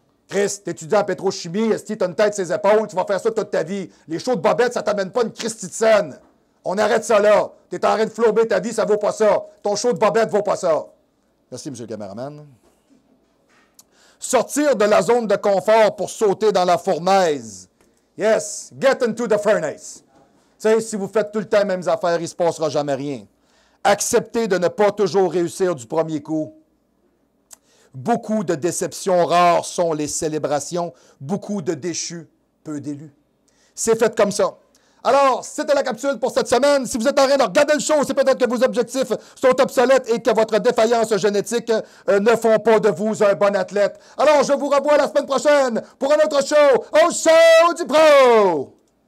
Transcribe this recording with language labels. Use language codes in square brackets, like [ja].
[fr] Chris, t'étudies en pétrochimie, esti, t'as une tête sur ses épaules, tu vas faire ça toute ta vie. Les shows de bobettes, ça t'amène pas une Christie de scène. On arrête ça là. T'es en train de flouber ta vie, ça vaut pas ça. Ton show de bobettes vaut pas ça. Merci, monsieur le caméraman. Sortir de la zone de confort pour sauter dans la fournaise. [en] Yes, get into the furnace. [fr] Tu sais, si vous faites tout le temps les mêmes affaires, il se passera jamais rien. Accepter de ne pas toujours réussir du premier coup. Beaucoup de déceptions rares sont les célébrations. Beaucoup de déchus, peu d'élus. C'est fait comme ça. Alors, c'était la capsule pour cette semaine. Si vous êtes en train de regarder le show, c'est peut-être que vos objectifs sont obsolètes et que votre défaillance génétique ne font pas de vous un bon athlète. Alors, je vous revois la semaine prochaine pour un autre show au Show du Pro!